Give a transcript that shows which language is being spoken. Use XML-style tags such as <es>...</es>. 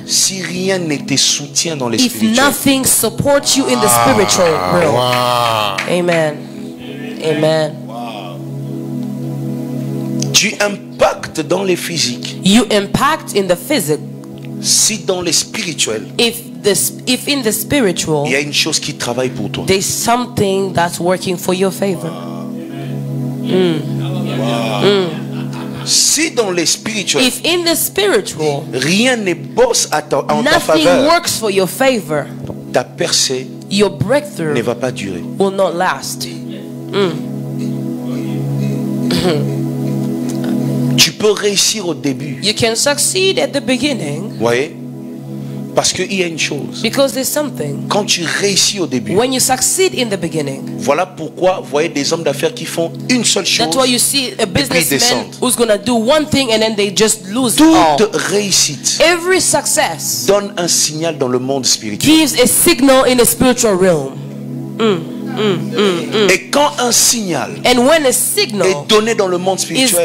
<fr>si rien ne te soutient dans les spirituels.</fr> <en>If nothing supports you in the spiritual world. Wow. Amen. Amen.</en> <fr>Wow. Tu impactes dans les physiques.</fr> <en>You impact in the physical.</en> <fr>Si dans le spirituel,</fr> <en>if in the spiritual,</en> <fr>il y a une chose qui travaille pour toi,</fr> <en>there's something that's working for your favor. Wow. Mm. Wow. Mm.</en> <fr>Si dans le spirituel,</fr> <en>if in the spiritual,</en> <fr>rien ne bosse à ta, en ta faveur,</fr> <en>nothing works for your favor,</en> <fr>ta percée,</fr> <en>your breakthrough,</en> <fr>ne va pas durer,</fr> <en>will not last. Mm.</en> <fr>Tu peux réussir au début.</fr> <en>You can succeed at the beginning.</en> <fr>Oui. Parce qu'il y a une chose.</fr> <en>Because there's something.</en> <fr>Quand tu réussis au début.</fr> <en>When you succeed in the beginning.</en> <fr>Voilà pourquoi vous voyez des hommes d'affaires qui font une seule chose.</fr> <en>That's why you see a businessman who's going to do one thing and then they just lose it all.</en> <fr>Toute réussite.</fr> <en>Every success.</en> <fr>Donne un signal dans le monde spirituel.</fr> <en>Gives a signal in the spiritual realm. Mm.</en> <fr>Et quand un signal,</fr> <en>and when a signal</en> <fr>est donné dans le monde spirituel,</fr>